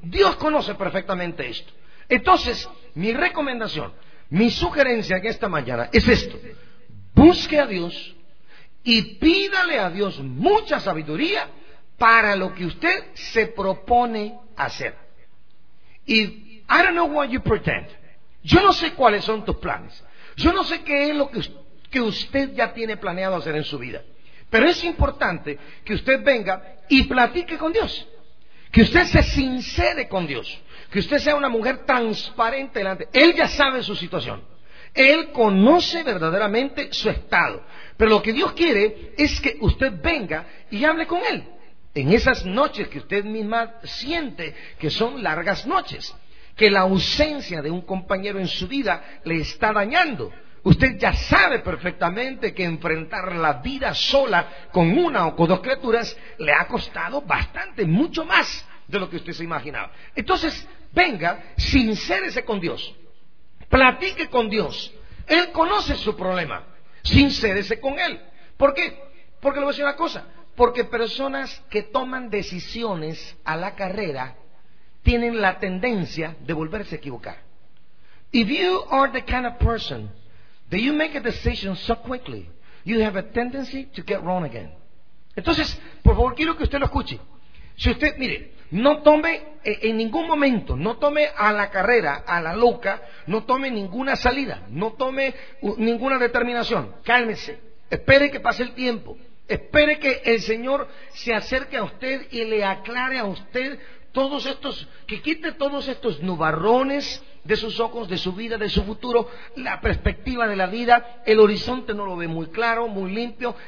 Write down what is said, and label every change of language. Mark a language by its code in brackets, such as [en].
[es] Dios conoce perfectamente esto. Entonces, mi recomendación, mi sugerencia en esta mañana es esto: busque a Dios y pídale a Dios mucha sabiduría para lo que usted se propone hacer. [en] Y I don't know what you pretend. [es] Yo no sé cuáles son tus planes. Yo no sé qué es lo que usted ya tiene planeado hacer en su vida. Pero es importante que usted venga y platique con Dios. Que usted se sincere con Dios. Que usted sea una mujer transparente delante. Él ya sabe su situación. Él conoce verdaderamente su estado. Pero lo que Dios quiere es que usted venga y hable con Él en esas noches que usted misma siente que son largas noches, que la ausencia de un compañero en su vida le está dañando. Usted ya sabe perfectamente que enfrentar la vida sola con una o con dos criaturas le ha costado bastante, mucho más de lo que usted se imaginaba. Entonces, venga, sincérese con Dios, platique con Dios. Él conoce su problema, sincérese con Él. ¿Por qué? Porque le voy a decir una cosa: porque personas que toman decisiones a la carrera tienen la tendencia de volverse a equivocar. [en] If you are the kind of person that you make a decision so quickly, you have a tendency to get wrong again. [es] Entonces, por favor, quiero que usted lo escuche. Si usted, mire, no tome en ningún momento, no tome a la carrera, a la loca, no tome ninguna salida, no tome ninguna determinación. Cálmese, espere que pase el tiempo. Espere que el Señor se acerque a usted y le aclare a usted todos estos, que quite todos estos nubarrones de sus ojos, de su vida, de su futuro, la perspectiva de la vida, el horizonte no lo ve muy claro, muy limpio.